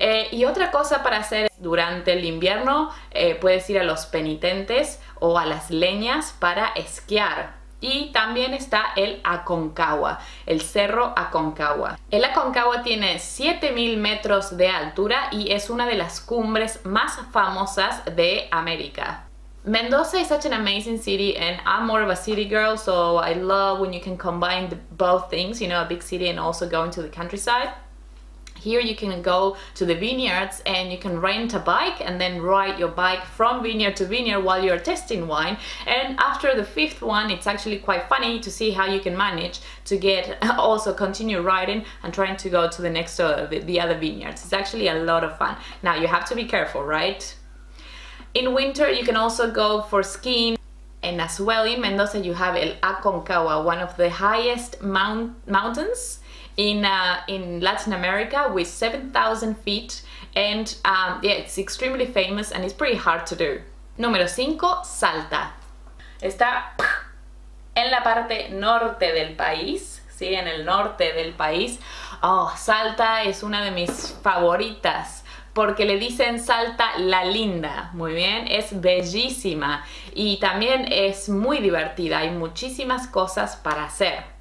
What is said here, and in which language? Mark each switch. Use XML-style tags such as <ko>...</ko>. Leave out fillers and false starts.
<es>Y otra cosa para hacer es, durante el invierno, puedes ir a los penitentes o a las leñas para esquiar. Y también está el Aconcagua, el Cerro Aconcagua. El Aconcagua tiene 7000 metros de altura y es una de las cumbres más famosas de América.</es> <en>Mendoza is such an amazing city and I'm more of a city girl, so I love when you can combine both things, you know, a big city and also going to the countryside. Here you can go to the vineyards and you can rent a bike and then ride your bike from vineyard to vineyard while you're tasting wine. And after the fifth one, it's actually quite funny to see how you can manage to get also continue riding and trying to go to the next the other vineyards. It's actually a lot of fun. Now you have to be careful, right? In winter, you can also go for skiing. And as well in Mendoza, you have El Aconcagua, one of the highest mountains in Latin America, with 7,000 feet, and yeah, it's extremely famous and it's pretty hard to do.</en> <es>Número 5, Salta. Está en la parte norte del país, ¿sí? En el norte del país. Oh, Salta es una de mis favoritas, porque le dicen Salta la linda, muy bien, es bellísima y también es muy divertida, hay muchísimas cosas para hacer.</es>